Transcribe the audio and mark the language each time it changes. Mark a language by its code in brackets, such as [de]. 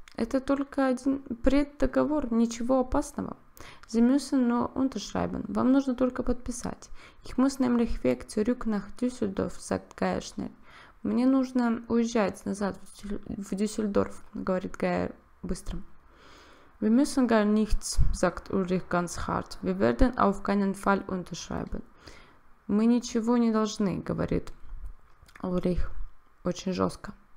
[ru] Это только один преддоговор, ничего опасного. [de] Sie müssen nur unterschreiben. [ru] Вам нужно только подписать. [de] Ich muss nämlich weg zurück nach Düsseldorf, sagt Gaia schnell. [ru] Мне нужно уезжать назад в Дюссельдорф, говорит Гая быстро. [de] Wir müssen gar nichts, sagt Ulrich ganz hart. Wir werden auf keinen Fall unterschreiben. [ru] Мы ничего не должны, говорит Ulrich. Очень жестко.